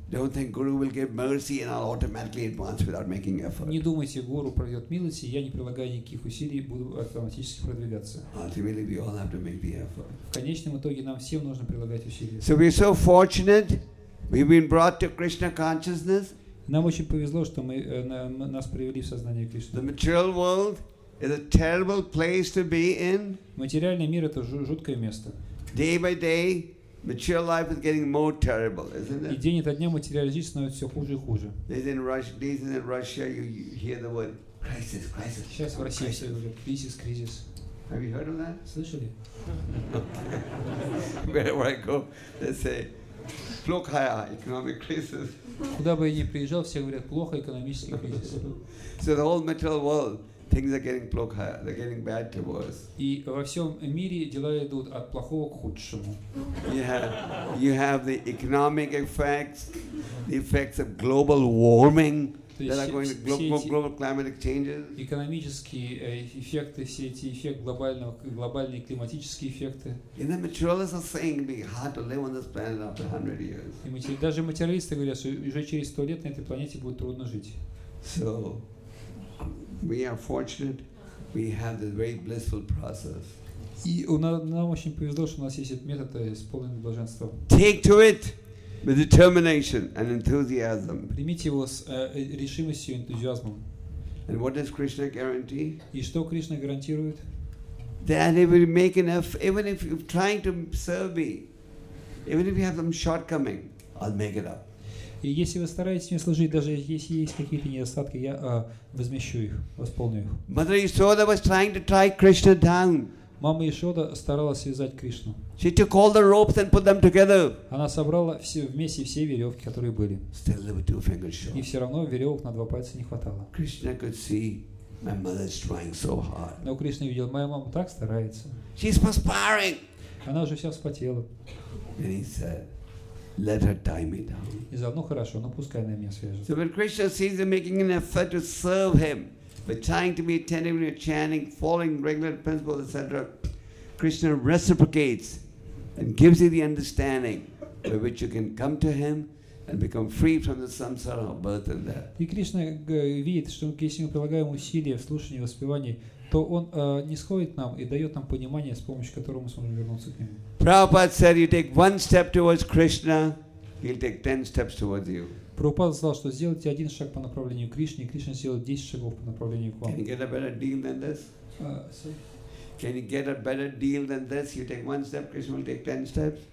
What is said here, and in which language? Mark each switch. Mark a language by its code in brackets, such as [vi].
[en] Don't think Guru will give mercy and I'll automatically advance without making effort. [ru] Не думайте, Гуру пройдет милость, и я не прилагаю никаких усилий, буду автоматически продвигаться. [en] Ultimately, we all have to make the effort. [ru] В конечном итоге нам всем нужно прилагать усилия. [en] So we're so fortunate. We've been brought to Krishna consciousness. [ru] Нам очень повезло, что мы нас привели в сознание Кришны. [en] The material world is a terrible place to be in. [ru] Материальный мир — это жуткое место. [en] Day by day, material life is getting more terrible, isn't it? [ru] И день ото дня материальная жизнь становится все хуже и хуже. [en] Days in Russia, you hear the word crisis, crisis. [ru] Сейчас в России все говорят кризис, кризис. [en] Have you heard of that? [ru] Слышали? [en] Wherever I go, they say. [ru] Плохая экономическая кризис. Куда бы я ни приезжал, все говорят плохо экономический кризис. [en] So the whole material world, things are getting [ru] плохая, [en] they're getting bad to worse. [ru] И во всем мире дела идут от плохого к худшему. [en] You have the economic effects, the effects of global warming that are going to global climate changes. [ru] Экономические эффекты, все эти эффекты глобальные климатические эффекты. [en] And the materialists are saying it'd be hard to live on this planet after 100 years. [ru] И даже материалисты говорят, что уже через 100 лет на этой планете будет трудно жить. [en] So we are fortunate, we have this very blissful process. [ru] И нам очень повезло, что у нас есть этот метод исполненного блаженства. [en] Take to it. With determination and enthusiasm. [ru] Примите его с решимостью и энтузиазмом. [en] And what does Krishna guarantee? [ru] И что Кришна гарантирует? [en] That if we make enough, even if you're trying to serve me, even if you have some shortcoming, I'll make it up. [ru] И если вы стараетесь мне служить, даже если есть какие-то недостатки, я возмещу их, восполню их. [en] Mother Yashoda was trying to tie Krishna down. [ru] Мама Ишода старалась связать Кришну. [en] She took all the ropes and put them together. [ru] Она собрала все вместе все веревки, которые были. [en] Still there were two fingers short. [ru] И все равно веревок на два пальца не хватало. [en] Krishna could see my mother's trying so hard. [ru] Но Кришна видел, моя мама так старается. [en] She's perspiring. [ru] Она уже вся вспотела. [en] And he said, let her tie me down. [ru] И заодно хорошо, но пускай она меня свяжет. [en] So when Krishna sees them making an effort to serve him. But trying to be attentive to chanting, following regular principles, etc., Krishna reciprocates and gives you the understanding by which you can come to Him and become free from the samsara of birth and death. [ru] И Кришна видит, что если мы прилагаем усилия в слушании, воспевании, то Он нисходит нам и дает нам понимание, с помощью которого мы сможем вернуться к Нему. [en] Prabhupada said, "You take one step towards Krishna, He'll take 10 steps towards you." [ru] Прабхупада сказал, что сделайте один шаг по направлению к Кришне, и Кришна сделает 10 шагов по направлению к вам. [en] Can you get a better deal than this? Can you get a better deal than this? You take one step, Krishna will take 10 steps.